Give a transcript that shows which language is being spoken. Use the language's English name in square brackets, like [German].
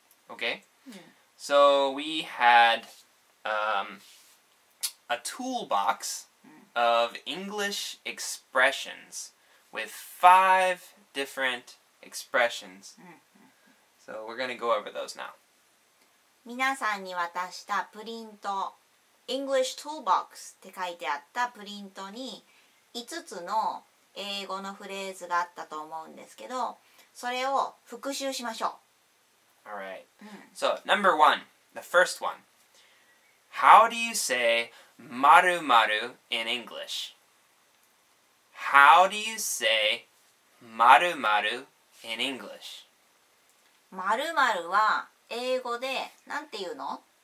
[English] Okay. So we had a toolbox of English expressions. With five different expressions. So we're going to go over those now. [Japanese] 皆さんに渡したプリント English Toolbox って書いてあったプリントに5つの英語のフレーズがあったと思うんですけど、それを復習しましょう。 [English] Alright. So number one, the first one. How do you say 〇〇 in English? How do you say 〇〇 in English? [Japanese] 〇〇は英語でなんて言うの?